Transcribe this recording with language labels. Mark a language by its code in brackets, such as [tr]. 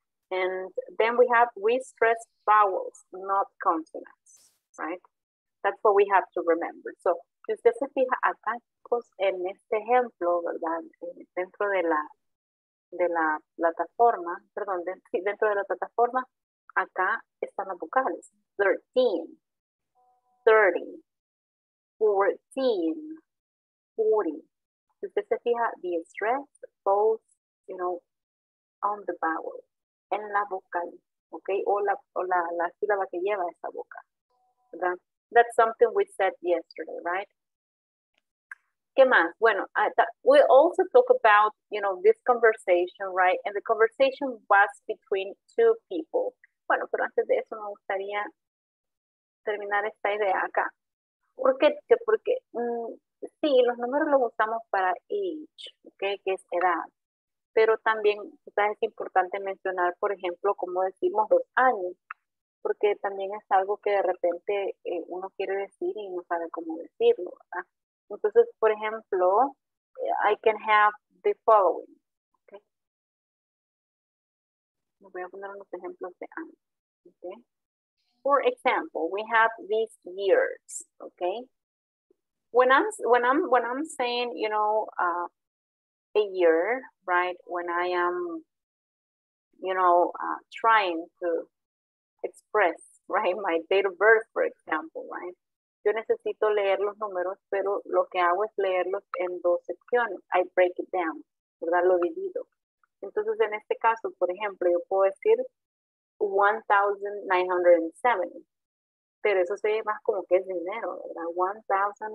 [en] And then we stress vowels, not consonants, right? That's what we have to remember. [es] So, si usted se fija acá, pues, en este ejemplo, ¿verdad? Dentro de la plataforma, perdón, dentro de la plataforma, acá están las vocales. 13, 30, 14, 40. Si usted se fija, [en] the stress falls, you know, on the vowel, [es] en la vocal, [en] ¿ok? [es] O la sílaba que lleva esa boca, ¿verdad? [en] That's something we said yesterday, right? [es] ¿Qué más? [en] Bueno, we also talk about, you know, this conversation, right? And the conversation was between two people. [es] Bueno, pero antes de eso me gustaría terminar esta idea acá. ¿Por qué? Porque sí, los números los usamos para age, okay, que es edad. Pero también quizás es importante mencionar, por ejemplo, como decimos los años. Porque también es algo que de repente uno quiere decir y no sabe cómo decirlo, ¿verdad? Entonces, por ejemplo, [en] I can have the following, [es] okay? Me voy a poner unos ejemplos de años, okay? [en] For example, we have these years, okay? When I'm saying, you know, a year, right? When I am, you know, trying to express, right, my date of birth, for example, right? [es] Yo necesito leer los números, pero lo que hago es leerlos en dos secciones. [en] I break it down, [es] ¿verdad? Lo divido. Entonces, en este caso, por ejemplo, yo puedo decir 1,970. Pero eso se ve más como que es dinero, ¿verdad?